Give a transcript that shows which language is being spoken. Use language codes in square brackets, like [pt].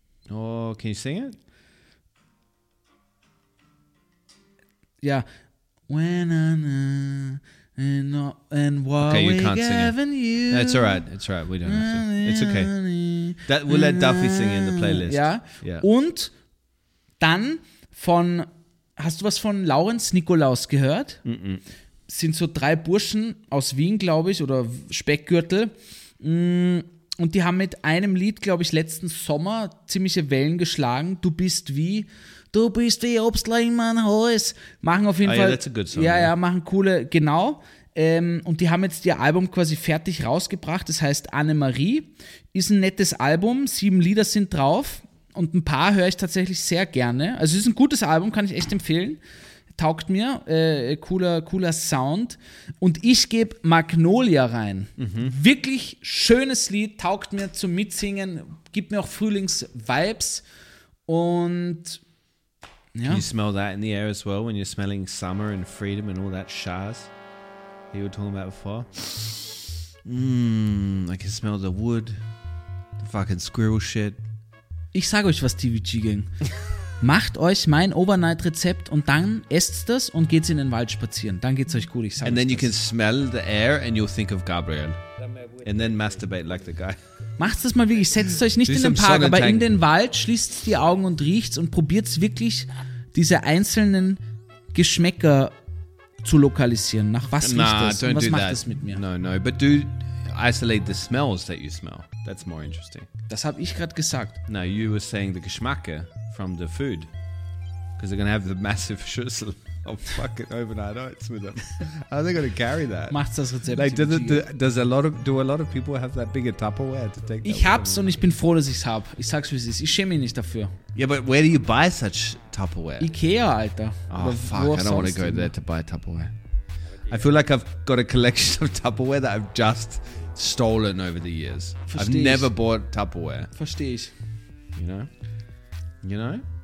[en] Oh, can you sing it? [de] Ja. [en] When and what okay, you we can't sing it. That's all right. It's all right. We don't have to. It's okay. That, we'll let Duffy sing in the playlist. [de] Ja. [en] Yeah. [de] Und dann von, hast du was von Laurenz Nikolaus gehört? Mm-mm. Sind so drei Burschen aus Wien, glaube ich, oder Speckgürtel. Und die haben mit einem Lied, glaube ich, letzten Sommer ziemliche Wellen geschlagen. Du bist wie Obstler in meinem Haus. Machen auf jeden Fall. [en] Yeah, that's a good song, [de] ja, ja, machen coole, genau. Und die haben jetzt ihr Album quasi fertig rausgebracht. Das heißt Annemarie. Ist ein nettes Album. 7 Lieder sind drauf. Und ein paar höre ich tatsächlich sehr gerne. Also es ist ein gutes Album, kann ich echt empfehlen. Taugt mir, cooler Sound. Und ich gebe Magnolia rein. Mhm. Wirklich schönes Lied, taugt mir zum Mitsingen, gibt mir auch Frühlings-Vibes. Und ja. [en] Can you smell that in the air as well, when you're smelling summer and freedom and all that shaz you were talking about before? I can smell the wood, the fucking squirrel shit. [de] Ich sage euch was, TVG-Gang. Macht euch mein Overnight-Rezept und dann esst das und geht's in den Wald spazieren. Dann geht's euch gut, ich sag's. [en] And then [de] das. [en] You can smell the air and you'll think of Gabriel. And then masturbate like the guy. [de] Macht's das mal wirklich. Setzt euch nicht in den Park, aber in den Wald, schließt die Augen und riecht's und probiert's wirklich, diese einzelnen Geschmäcker zu lokalisieren. Nach was riecht das? Und was macht das mit mir? [en] No, but do isolate the smells that you smell. That's more interesting. [de] Das hab ich gerade gesagt. [en] No, you were saying the Geschmacke. From the food, because they're gonna have the massive schüssel of fucking overnight oats with them. How are they gonna carry that? [de] Macht das Rezept. [en] Like, do a lot of people have that bigger Tupperware to take? [de] Ich hab's und ich bin froh, dass ich's hab. Ich sag's wie es ist. Ich schäme mich nicht dafür. [en] Yeah, but where do you buy such Tupperware? [de] IKEA, Alter. [en] Oh, oder fuck! I don't want to go there to buy Tupperware. I feel like I've got a collection of Tupperware that I've just stolen over the years. [de] Versteh [en] I've [de] ich. [en] Never bought Tupperware. [de] Verstehe ich. [en] You know. You know?